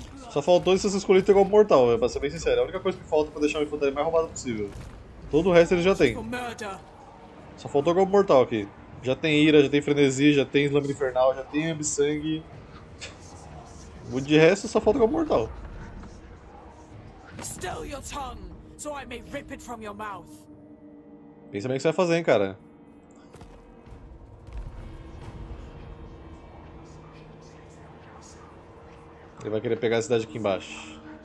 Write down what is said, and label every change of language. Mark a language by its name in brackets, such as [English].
[Portuguese] Só faltou esses escolhidos igual mortal, véio, pra ser bem sincero. É a única coisa que falta pra deixar o infantaria mais roubado possível. Todo o resto ele já tem. Só faltou o golpe mortal aqui. Já tem ira, já tem frenesi, já tem slumber infernal, já tem ambisangue. O de resto só falta o golpe mortal. [English] Still your tongue, so I may rip it from your mouth. [Portuguese] Pensa bem o que você vai fazer, hein, cara. Ele vai querer pegar a cidade aqui embaixo.